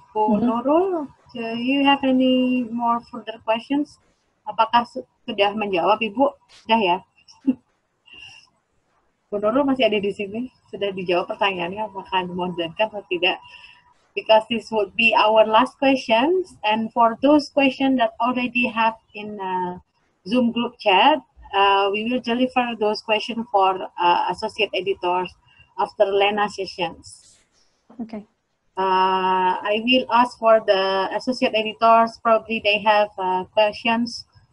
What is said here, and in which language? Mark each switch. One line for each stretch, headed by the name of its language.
English: Bu Nurul, do you have any more further questions?
Indonesian: Apakah sudah menjawab Ibu? Sudah ya? Bu Nurul masih ada di sini? Sudah dijawab pertanyaannya apakah memudahkan atau tidak?
English: Because this would be our last questions, and for those questions that already have in Zoom group chat, we will deliver those questions for associate editors after Leena sessions. Okay. I will ask for the associate editors, probably they have questions.